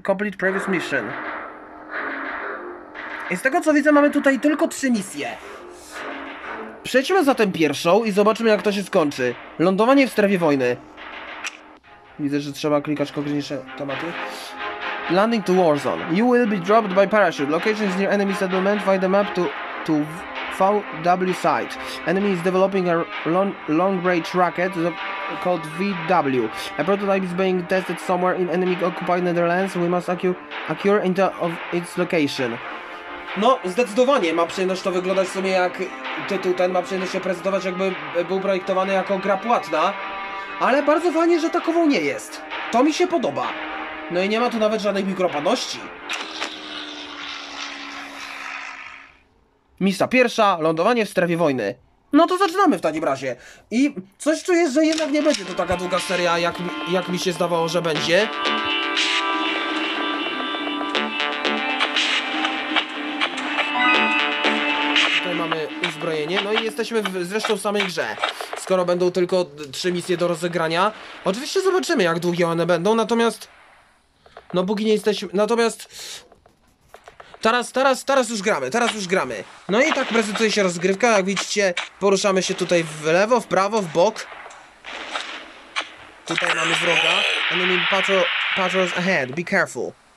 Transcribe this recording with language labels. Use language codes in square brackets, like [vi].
[en] Complete previous mission. [pl] I z tego co widzę, mamy tutaj tylko 3 misje. Przejdźmy zatem pierwszą i zobaczymy, jak to się skończy. Lądowanie w strefie wojny. Widzę, że trzeba klikać konkretniejsze tematy. [en] Landing to Warzone. You will be dropped by parachute. Location is near enemy settlement. Find the map to VW site. Enemy is developing a long-range rocket called VW. A prototype is being tested somewhere in enemy-occupied Netherlands. We must acquire into of its location. [pl] No, zdecydowanie ma przyjemność to wyglądać w sumie jak tytuł ten. Ma przyjemność się prezentować, jakby był projektowany jako gra płatna. Ale bardzo fajnie, że takową nie jest. To mi się podoba. No i nie ma tu nawet żadnej mikropadności. Misja pierwsza, lądowanie w strefie wojny. No to zaczynamy w takim razie. I coś czuję, że jednak nie będzie to taka długa seria, jak mi się zdawało, że będzie. Tutaj mamy uzbrojenie, no i jesteśmy zresztą w samej grze. Skoro będą tylko 3 misje do rozegrania. Oczywiście zobaczymy, jak długie one będą, natomiast... No póki nie jesteśmy... Natomiast... Teraz już gramy. No i tak prezentuje się rozgrywka, jak widzicie, poruszamy się tutaj w lewo, w prawo, w bok. Tutaj mamy wroga. [en] Enemy patrols ahead, be careful.